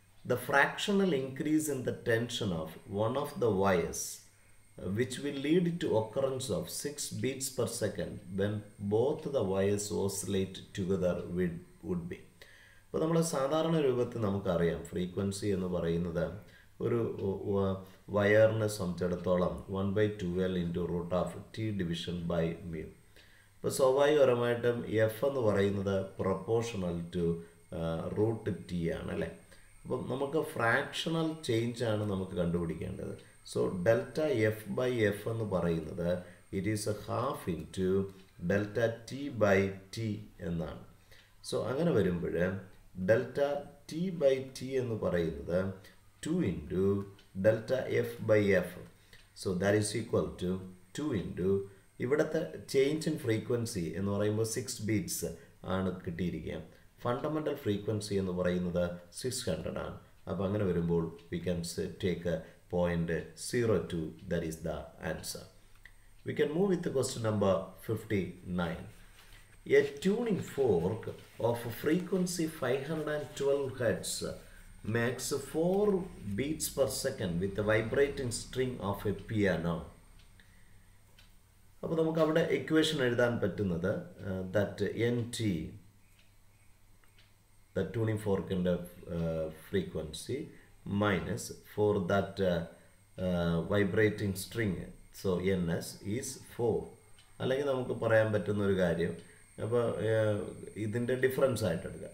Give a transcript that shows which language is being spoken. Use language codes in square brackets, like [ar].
[en] The fractional increase in the tension of one of the wires, which will lead to occurrence of 6 beats per second when both the wires oscillate together would be. [ml] അപ്പോൾ നമ്മൾ സാധാരണ രൂപത്തിൽ നമുക്കറിയാം frequency എന്ന് പറയുന്നത് ഒരു വയറിനെ സംബന്ധിച്ചിടത്തോളം 1/2L (√T/μ). അപ്പോൾ സ്വാഭാവികപരമായിട്ടും എഫ് എന്ന് പറയുന്നത് പ്രൊപ്പോർഷണൽ ടു √T ആണ് അല്ലേ. അപ്പം നമുക്ക് ഫ്രാക്ഷണൽ ചേഞ്ച് ആണ് നമുക്ക് കണ്ടുപിടിക്കേണ്ടത്. സോ ഡെൽറ്റ f/f എന്ന് പറയുന്നത് [en] it is [ml] 1/2 × Δt/T എന്നാണ്. സോ അങ്ങനെ വരുമ്പോൾ Δt/T എന്ന് പറയുന്നത് 2 × Δf/f. [en] so that is equal to [ml] 2 × ഇവിടുത്തെ ചേഞ്ച് ഇൻ ഫ്രീക്വൻസി എന്ന് പറയുമ്പോൾ 6 beats ആണ് കിട്ടിയിരിക്കുക. ഫണ്ടമെൻ്റൽ ഫ്രീക്വൻസി എന്ന് പറയുന്നത് 600 ആണ്. അപ്പം അങ്ങനെ വരുമ്പോൾ [en] We can take 0.02, that is the answer. We can move with the question number 59. A tuning fork of frequency 512 Hz makes 4 beats per second with the vibrating string of a piano. [ml] അപ്പോൾ നമുക്ക് അവിടെ equation എഴുതാൻ പറ്റുന്നത് that N T the tuning ഫോർക്കിൻ്റെ frequency minus for that vibrating string. So N S is 4. അല്ലെങ്കിൽ നമുക്ക് പറയാൻ പറ്റുന്ന ഒരു കാര്യം, അപ്പോൾ ഇതിൻ്റെ ഡിഫറൻസ് ആയിട്ട് എടുക്കുക.